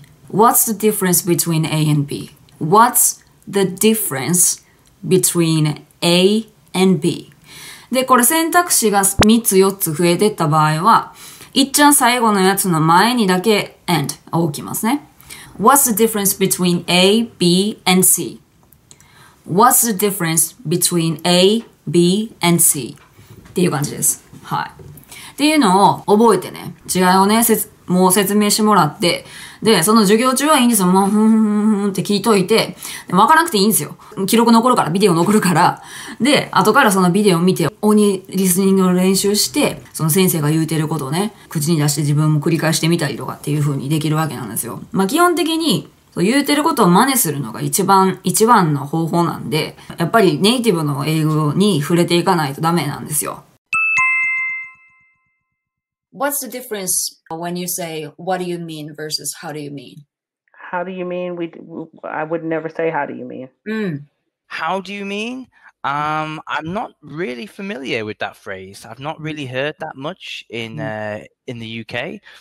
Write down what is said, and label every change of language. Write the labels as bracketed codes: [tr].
[en] What's the difference between A and B? What's the difference between A and B? [ja] で、これ選択肢が3つ4つ増えてった場合は、いっちゃん最後のやつの前にだけ and を置きますね。 [en] What's the difference between A, B and C? What's the difference between A, B and C? [ja] っていう感じです。はい。っていうのを覚えてね、違いをね、もう説明してもらって、で、その授業中はいいんですよ。まあ、ふんふんふんって聞いといて、わからなくていいんですよ。記録残るから、ビデオ残るから。で、後からそのビデオを見て、鬼リスニングの練習して、その先生が言うてることをね、口に出して自分も繰り返してみたりとかっていう風にできるわけなんですよ。まあ、基本的に、言うてることを真似するのが一番の方法なんで、やっぱりネイティブの英語に触れていかないとダメなんですよ。 [en] What's the difference when you say what do you mean versus how do you mean? How do you mean? I would never say how do you mean. How do you mean? I'm not really familiar with that phrase. I've not really heard that much in the UK.